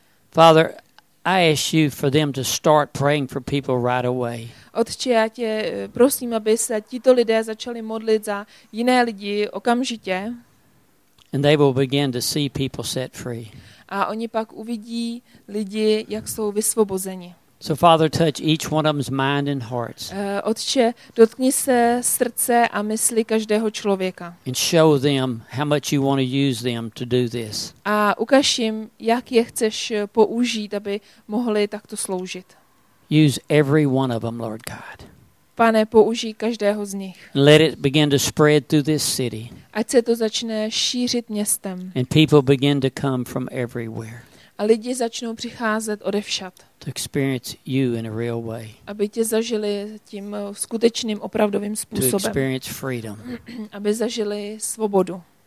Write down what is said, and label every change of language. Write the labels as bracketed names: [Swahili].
[English] Father, I ask you for them to start praying for people right away. [Czech] Otče, já tě prosím, aby se tito lidé začali modlit za jiné lidi okamžitě. [English] And they will begin to see people set free. [Czech] A oni pak uvidí lidi, jak jsou vysvobozeni. [English] So Father, touch each one of them's mind and hearts. [Czech] Otče, dotkni se srdce a mysli každého člověka. [English] And show them how much you want to use them to do this. [Czech] A ukaž jim, jak je chceš použít, aby mohli takto sloužit. [English] Use every one of them, Lord God. [Czech] Pane, použij každého z nich. [English] Let it begin to spread through this city. [Czech] Ať se to začne šířit městem. [English] And people begin to come from everywhere. [Czech] A lidi začnou přicházet odevšad. [English] To experience you in a real way. [Czech] Aby tě zažili tím skutečným opravdovým způsobem. [English] To experience freedom. [Czech] Aby zažili svobodu.